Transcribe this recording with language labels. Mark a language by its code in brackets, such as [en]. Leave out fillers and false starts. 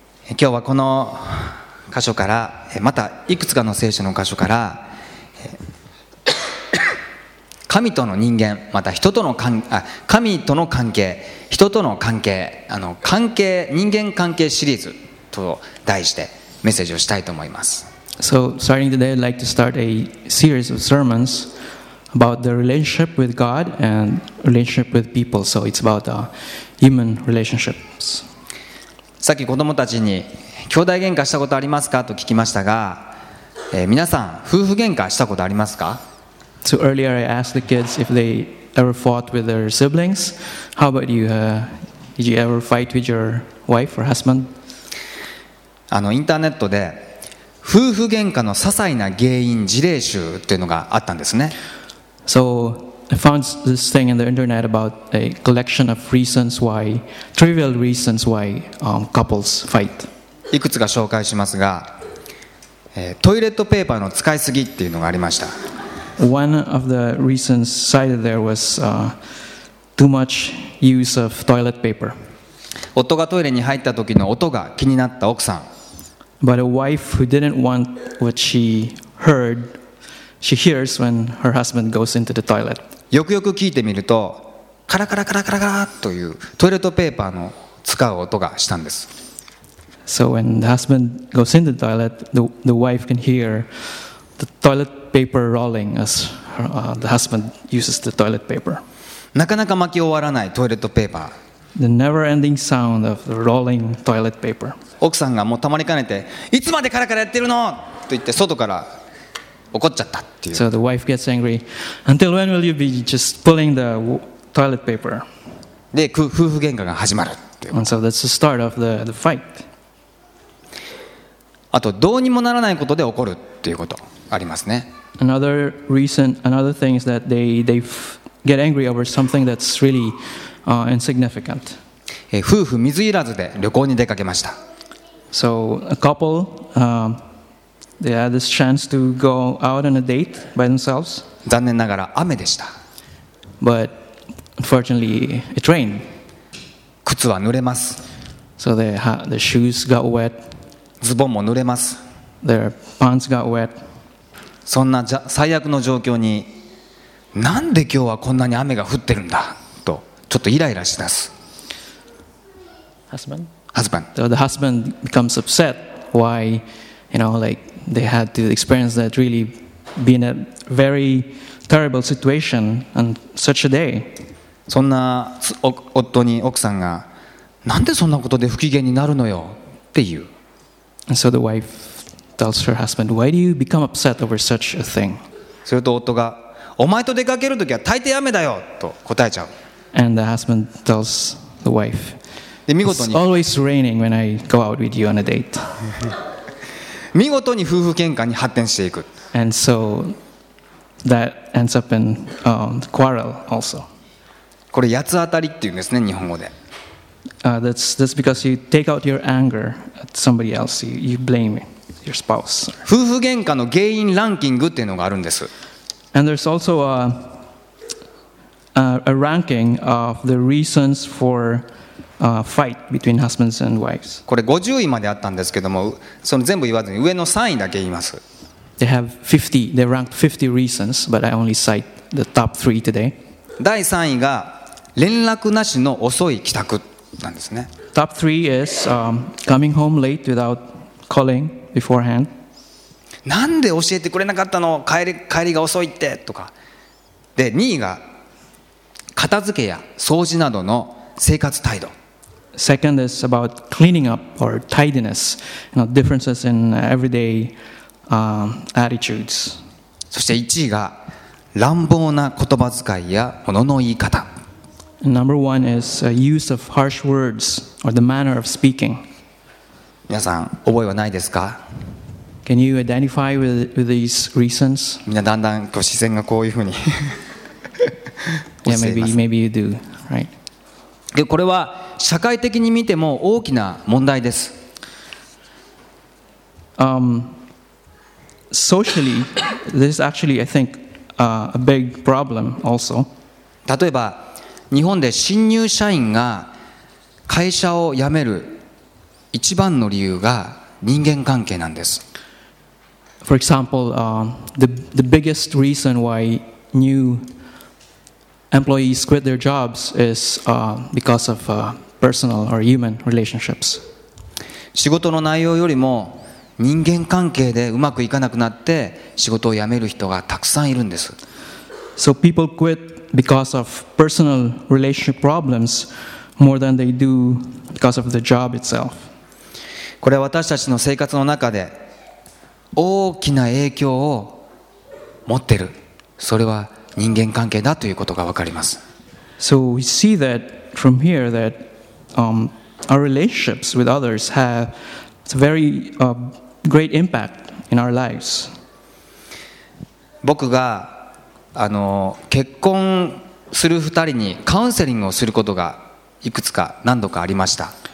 [ja] 今日はこの箇所から、またいくつかの聖書の箇所から、神との人間、また人との関、神との関係、人との関係、関係、人間関係シリーズと題してメッセージをしたいと思います。 [en] So starting today, I'd like to start a series of sermons about the relationship with God and relationship with people. So it's about human relationships. [ja] さっき子供たちに兄弟喧嘩したことありますかと聞きましたが、皆さん夫婦喧嘩したことありますか？ [en] So earlier I asked the kids if they ever fought with their siblings. How about you? Did you ever fight with your wife or husband? [ja] インターネットで夫婦喧嘩の些細な原因事例集というのがあったんですね。 [en] So I found this thing in the internet about a collection of reasons why, trivial reasons why couples fight. [ja] いくつか紹介しますが、トイレットペーパーの使いすぎっていうのがありました。 [en] One of the reasons cited there was too much use of toilet paper. [ja] 夫がトイレに入った時の音が気になった奥さん。 [en] But a wife who didn't want what she heard, she hears when her husband goes into the toilet. [ja] よくよく聞いてみると、カラカラカラカラカラというトイレットペーパーの使う音がしたんです。 [en] So when the husband goes into the toilet, the wife can hear the toilet paper rolling as the husband uses the toilet paper. [ja] なかなか巻き終わらないトイレットペーパー。 [en] The never-ending sound of the rolling toilet paper. [ja] 奥さんがもうたまりかねて、いつまでカラカラやってるの？と言って外から怒っちゃったっていう。 [en] So the wife gets angry. Until when will you be just pulling the toilet paper? [ja] で、夫婦喧嘩が始まるっていう。 [en] And so that's the start of the fight. [ja] あと、どうにもならないことで怒るっていうことありますね。 [en] Another reason, another thing is that they get angry over something that's really insignificant. [ja] 夫婦水入らずで旅行に出かけました。 [en] So a couple, they had this chance to go out on a date by themselves. [ja] 残念ながら雨でした。 [en] But unfortunately, it rained. [ja] 靴は濡れます。 [en] So the shoes got wet. [ja] ズボンも濡れます。 [en] Their pants got wet. [ja] そんな最悪の状況になんで今日はこんなに雨が降ってるんだとちょっとイライラしだす。 [en] Husband. So the husband becomes upset. Why, you know, like they had to experience that really being a very terrible situation on such a day. [ja] そんな夫に奥さんがなんでそんなことで不機嫌になるのよっていう。 [en] And so the wife. Tells her husband, "Why do you become upset over such a thing?" [ja] すると夫が、お前と出かけるときは大抵雨だよと答えちゃう。 [en] And the husband tells the wife, [ja] で見事に、 [en] It's always raining when I go out with you on a date. [ja] 見事に夫婦喧嘩に発展していく。 [en] And so that ends up in quarrel also. [ja] これ八つ当たりっていうんですね、日本語で。 [en] That's because you take out your anger at somebody else. You blame it. Your spouse. [ja] 夫婦喧嘩の原因ランキングっていうのがあるんです。 [en] And there's also a ranking of the reasons for fight between husbands and wives. [ja] これ50位まであったんですけども、その全部言わずに上の3位だけ言います。 [en] They have 50. They ranked 50 reasons, but I only cite the top three today. [ja] 第3位が連絡なしの遅い帰宅なんですね。 [en] Top three is coming home late without calling. Beforehand. [ja] なんで教えてくれなかったの帰りが遅いってとかで2位が片付けや掃除などの生活態度 [en] Second is about cleaning up or tidiness you know, differences in everyday attitudes [ja] そして1位が乱暴な言葉遣いや物の言い方 [en] Number one is use of harsh words or the manner of speaking [ja] 皆さん覚えはないですか [en] Can you identify with these reasons? [ja] みんなだんだん視線がこういうふうに [en] Yeah, maybe you do, right? [ja] でこれは社会的に見ても大きな問題です [en] Socially, this is actually, I think, a big problem also [ja] 例えば日本で新入社員が会社を辞める一番の理由が人間関係なんです。 [en] For example, the biggest reason why new employees quit their jobs is because of personal or human relationships. [ja] 仕事の内容よりも人間関係でうまくいかなくなって仕事を辞める人がたくさんいるんです。 [en] So people quit because of personal relationship problems more than they do because of the job itself. [ja] これは私たちの生活の中で大きな影響を持っている。それは人間関係だということがわかります。 [en] So we see that from here that our relationships with others have a very great impact in our lives. [ja] 僕が結婚する二人にカウンセリングをすることがいくつか何度かありました。